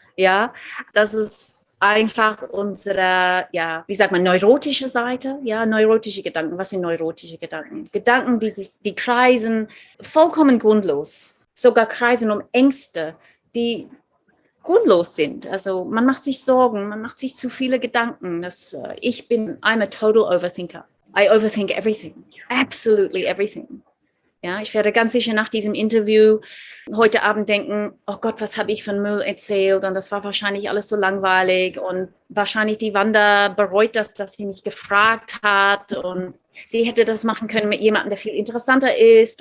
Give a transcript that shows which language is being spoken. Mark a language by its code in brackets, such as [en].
[de] Ja, das ist einfach unsere, ja, wie sagt man, neurotische Seite. Ja, neurotische Gedanken. Was sind neurotische Gedanken? Gedanken, die kreisen vollkommen grundlos, sogar kreisen um Ängste, die grundlos sind. Also man macht sich Sorgen, man macht sich zu viele Gedanken. [en] I'm a total overthinker. I overthink everything, absolutely everything. [de] Ja, ich werde ganz sicher nach diesem Interview heute Abend denken, oh Gott, was habe ich von Müll erzählt? Und das war wahrscheinlich alles so langweilig. Und wahrscheinlich die Wanda bereut das, dass sie mich gefragt hat. Und sie hätte das machen können mit jemandem, der viel interessanter ist.